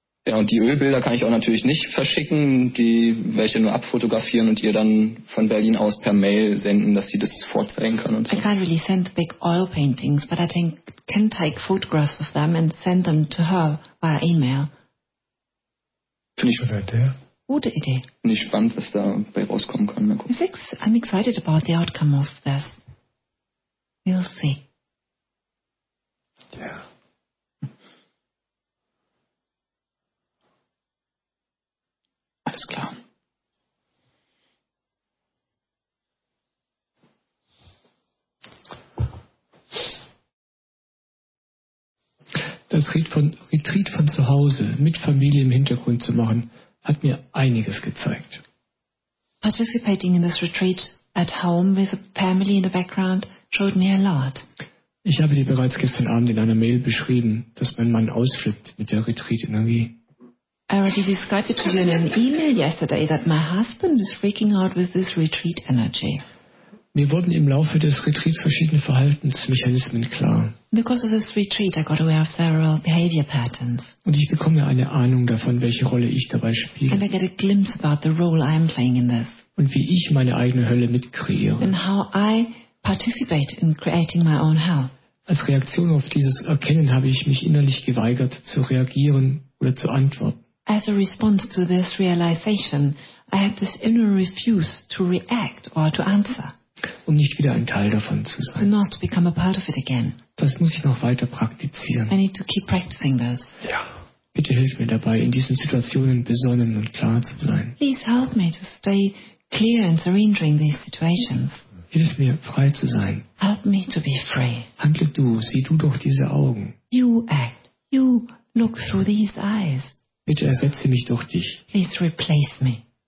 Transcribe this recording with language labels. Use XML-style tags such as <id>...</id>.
<de>Ja, und die Ölbilder kann ich auch natürlich nicht verschicken, die welche nur abfotografieren und ihr dann von Berlin aus per Mail senden, dass sie das vorzeigen kann und so.</de> <en>I can't really send big oil paintings, but I can take photographs of them and send them to her via email.</en> <de>Finde ich eine gute Idee. Gute Idee. Finde ich spannend, was dabei rauskommen kann.</de> <en>I'm excited about the outcome of this. We'll see. Yeah.</en> <de>Alles klar. Das Retreat von zu Hause mit Familie im Hintergrund zu machen, hat mir einiges gezeigt.</de> <en>Participating in this retreat at home with a family in the background showed me a lot.</en> <de>Ich habe dir bereits gestern Abend in einer Mail beschrieben, dass mein Mann ausflippt mit der Retreat-Energie.</de> <en>I already described it to you in an email yesterday that my husband is freaking out with this retreat energy.</en> <de>Mir wurden im Laufe des Retreats verschiedene Verhaltensmechanismen klar.</de> <en>In the course of this retreat I got aware of several behavior patterns.</en> <de>Und ich bekomme eine Ahnung davon, welche Rolle ich dabei spiele.</de> <en>And I get a glimpse about the role I am playing in this.</en> <de>Und wie ich meine eigene Hölle mitkreiere.</de> <en>And how I participate in creating my own hell.</en> <de>Als Reaktion auf dieses Erkennen habe ich mich innerlich geweigert zu reagieren oder zu antworten.</de> <en>As a response to this realization, I had this inner refuse to react or to answer.</en> <de>Um nicht wieder ein Teil davon zu sein.</de> <en>To not become a part of it again.</en> <de>Das muss ich noch weiter praktizieren.</de> <en>I need to keep practicing this.</en> <de>Ja. Bitte hilf mir dabei, in diesen Situationen besonnen und klar zu sein.</de> <en>Please help me to stay clear and serene during these situations.</en> <de>Hilf mir, frei zu sein.</de> <en>Help me to be free.</en> <de>Handle du, sieh du doch diese Augen.</de> <en>You act. You look through these eyes.</en> <de>Bitte ersetze mich durch dich.</de> <en>Please replace me.</en>